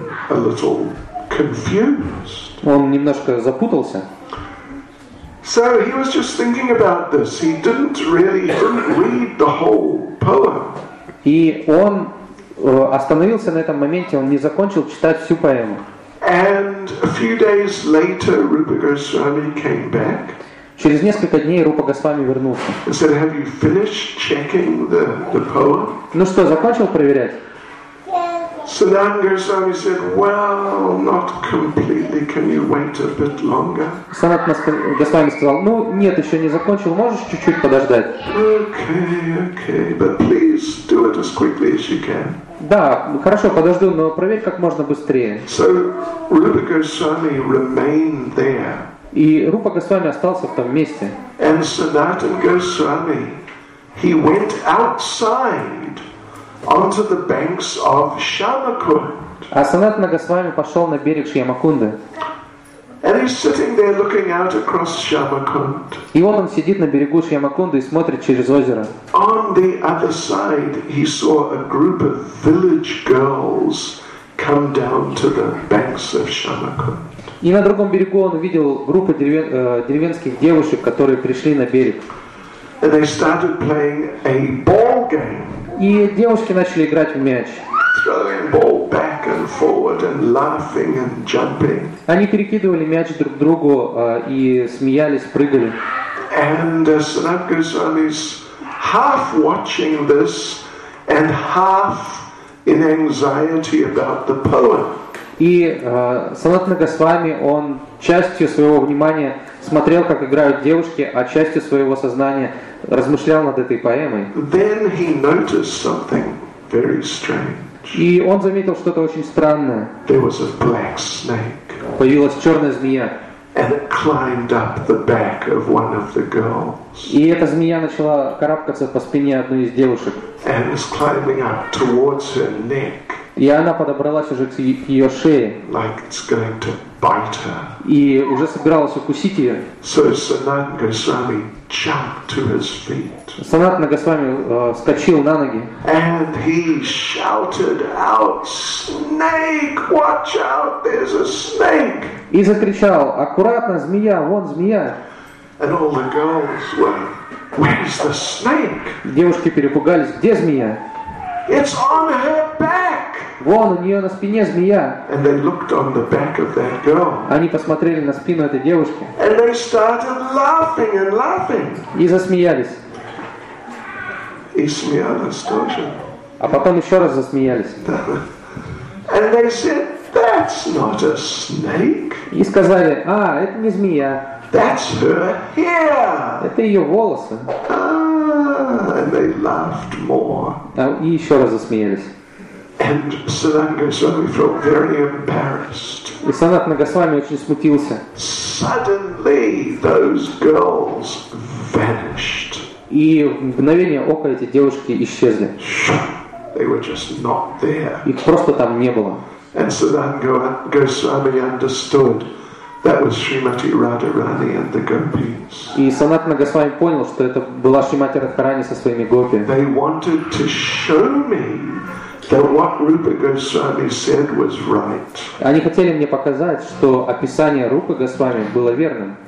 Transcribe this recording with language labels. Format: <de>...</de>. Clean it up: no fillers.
<ru>Он немножко запутался.</ru> <en>So he was just thinking about this. He didn't really read the whole poem.</en> <ru>И он остановился на этом моменте, он не закончил читать всю поэму.</ru> <en>And a few days later, Rupa Goswami came back.</en> <ru>Через несколько дней Рупа Госвами вернулся.</ru> <en>He said, "Have you finished checking the poem?"</en> <ru>Ну что, закончил проверять?</ru> <en>Сананда Госвами said, "Well, not completely. Can you wait a bit longer?"</en> <ru>Сананда Госвами сказал, "Ну нет, еще не закончил. Можешь чуть-чуть подождать?"</ru> <en>Okay, but please do it as quickly as you can.</en> <ru>Да, хорошо, подожду, но проверь как можно быстрее.</ru> <en>So, Rupa Goswami remained there.</en> <ru>И Рупа Госвами остался в том месте.</ru> <en>And Sanatan Goswami, he went outside onto the banks of Shyamakund.</en> <ru>А Санатана Госвами пошел на берег Шьямакунды.</ru> <en>And he's sitting there looking out across Shyamakund.</en> <ru>И вот он сидит на берегу Шьямакунды и смотрит через озеро.</ru> <en>On the other side, he saw a group of village girls come down to the banks of Shyamakund.</en> <ru>И на другом берегу он увидел группу деревенских девушек, которые пришли на берег.</ru> <en>And they started playing a ball game.</en> <ru>И девушки начали играть в мяч.</ru> <en>Throwing ball back and forward and laughing and jumping.</en> <ru>Они перекидывали мяч друг другу и смеялись, прыгали.</ru> <en>And Sanat Goswami is half watching this and half in anxiety about the poem.</en> <ru>И Санат Госвами, он частью своего внимания смотрел, как играют девушки, а частью своего сознания размышлял над этой поэмой.</ru> <en>Then he noticed something very strange.</en> <ru>И он заметил что-то очень странное.</ru> <en>There was a black snake.</en> <ru>Появилась черная змея.</ru> <en>And it climbed up the back of one of the girls.</en> <ru>И эта змея начала карабкаться по спине одной из девушек.</ru> <en>And was climbing up towards her neck.</en> <ru>И она подобралась уже к ее шее.</ru> <en>Like it's going to bite her.</en> <ru>И уже собиралась укусить ее.</ru> <en>So Sanat Goswami jumped to his feet.</en> <ru>Санат Госвами вскочил на ноги.</ru> <en>And he shouted out, "Snake, watch out, there's a snake!"</en> <ru>И закричал, "Аккуратно, змея, вон змея!"</ru> <en>And all the girls were, "Where's the snake?"</en> <ru>Девушки перепугались, "Где змея?"</ru> <en>It's on her back.</en> <ru>Вон у нее на спине змея.</ru> <en>And they looked on the back of that girl.</en> <ru>Они посмотрели на спину этой девушки.</ru> <en>And they started laughing and laughing.</en> <ru>И засмеялись. И смеялись тоже. А потом еще раз засмеялись.</ru> <en>And they said, "That's not a snake."</en> <ru>И сказали, "А, это не змея."</ru> <en>That's her hair.</en> <ru>Это ее волосы.</ru> <en>And they laughed more.</en> <ru>И еще раз засмеялись.</ru> <en>And Sanat Goswami felt very embarrassed.</en> <ru>И Санат Госвами очень смутился.</ru> <en>Suddenly those girls vanished.</en> <ru>И в мгновение ока эти девушки исчезли.</ru> <en>They were just not there.</en> <ru>Их просто там не было.</ru> <en>And Sanat Goswami understood. That was Shrimati Radharani and the gopis.</en> <ru>И Санатана Госвами понял, что это была Шримати Радхарани со своими гопи.</ru> <en>They wanted to show me that what Rupa Goswami said was right.</en> <ru>Они хотели мне показать, что описание Рупы Госвами было верным.</ru>